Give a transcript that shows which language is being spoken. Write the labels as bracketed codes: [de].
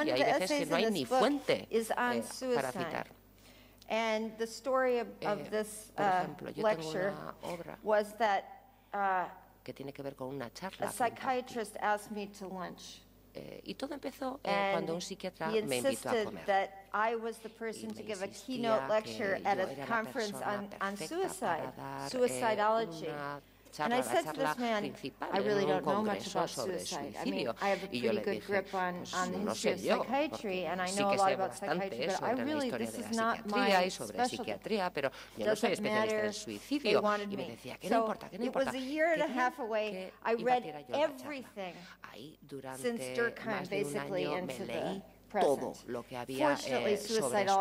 [es] Y hay veces que no hay ni fuente para citar. [en] And the story of this, [es] por ejemplo, yo tengo una obra [en] was that, [es] que tiene que ver con una charla. [en] A psychiatrist asked me to lunch. [es] Y todo empezó cuando un psiquiatra me invitó a comer. [en] I was the person to give a keynote lecture at a conference on suicide, suicidology. And I said to this man, I really don't know much about suicide. I mean, I have a pretty good grip on the history of psychiatry, and I know a lot about psychiatry, but I really, this is not my specialty. [es] Pero yo no soy especialista en suicidio. Y me decía, ¿qué no importa? ¿Qué no importa? [en] It was a year and a half away, I read everything since Durkheim, basically, into the [es] todo lo que había sobre suicidio.